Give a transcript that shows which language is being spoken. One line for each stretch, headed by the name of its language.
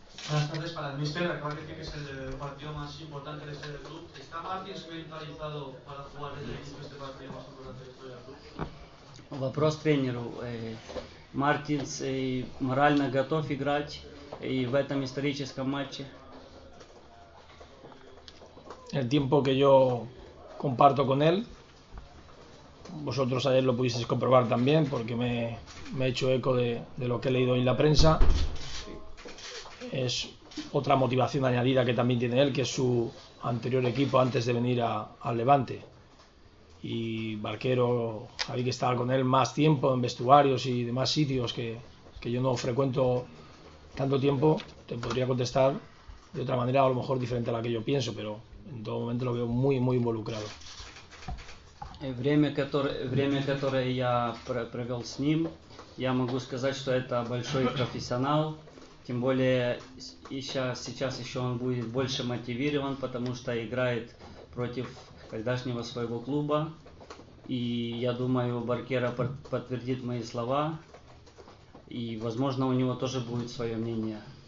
Spanish: Buenas tardes para el míster. Acaba de decir que es el partido más importante de este club. ¿Está Martins mentalizado para jugar desde el inicio este partido más importante de la historia del club?
Russian: Вопрос тренеру. Мартинс морально готов играть и в этом историческом матче?
Spanish: El tiempo que yo comparto con él, vosotros ayer lo pudisteis comprobar también porque me he hecho eco de lo que he leído en la prensa. Es otra motivación añadida que también tiene él, que es su anterior equipo antes de venir al Levante. Y Barquero, hay que estar con él más tiempo en vestuarios y demás sitios que yo no frecuento tanto tiempo, te podría contestar de otra manera, a lo mejor diferente a la que yo pienso, pero en todo momento lo veo muy, muy involucrado.
Russian: Время, которое я провел с ним, я могу сказать, что это большой профессионал, тем более сейчас еще он будет больше мотивирован, потому что играет против когдашнего своего клуба, и я думаю, Баркера подтвердит мои слова, и возможно у него тоже будет свое мнение.